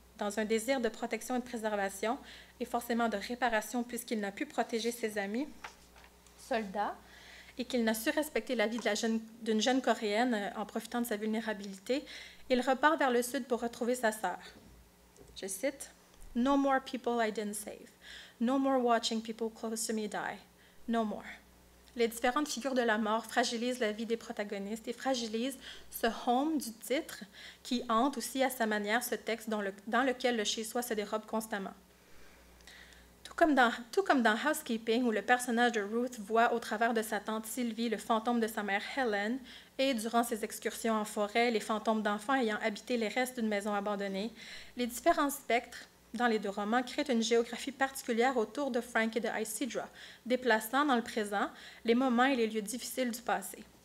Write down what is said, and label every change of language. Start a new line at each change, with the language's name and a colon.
French: Dans un désir de protection et de préservation, et forcément de réparation puisqu'il n'a pu protéger ses amis, soldats, et qu'il n'a su respecter la vie d'une jeune coréenne en profitant de sa vulnérabilité, il repart vers le sud pour retrouver sa sœur. Je cite,
English: « No more people I didn't save. No more watching people close to me die. No more.
French: » Les différentes figures de la mort fragilisent la vie des protagonistes et fragilisent ce « home » du titre qui hante aussi à sa manière ce texte dans lequel le chez-soi se dérobe constamment. Tout comme dans « Housekeeping » où le personnage de Ruth voit au travers de sa tante Sylvie le fantôme de sa mère Helen et durant ses excursions en forêt, les fantômes d'enfants ayant habité les restes d'une maison abandonnée, les différents spectres dans les deux romans, crée une géographie particulière autour de Frank et de Isidra, déplaçant dans le présent les moments et les lieux difficiles du passé.